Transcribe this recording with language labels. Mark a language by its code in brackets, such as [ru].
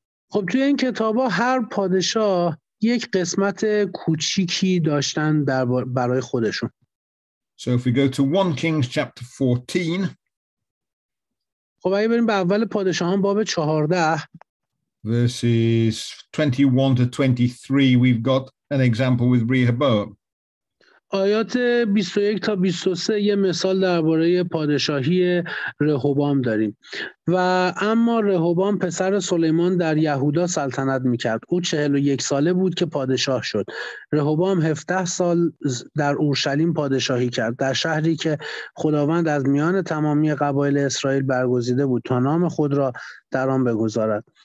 [fa] خب توی این کتابا هر پادشاه یک قسمت کوچیکی داشتن در برای خودشون. [en] So if we go to 1 Kings chapter 14. [fa] خب اگه بریم به اول پادشاهان باب 14. [en] Verses 21 to 23 we've got an example with Rehoboam. [fa] آیات 21 تا 23 یه مثال درباره پادشاهی رهوبام داریم. و اما رهوبام پسر سلیمان در یهودا سلطنت میکرد. او 41 ساله بود که پادشاه شد. رهوبام 17 سال در اورشلیم پادشاهی کرد، در شهری که خداوند از میان تمامی قبایل اسرائیل برگزیده بود تا نام خود را در آن بگذارد.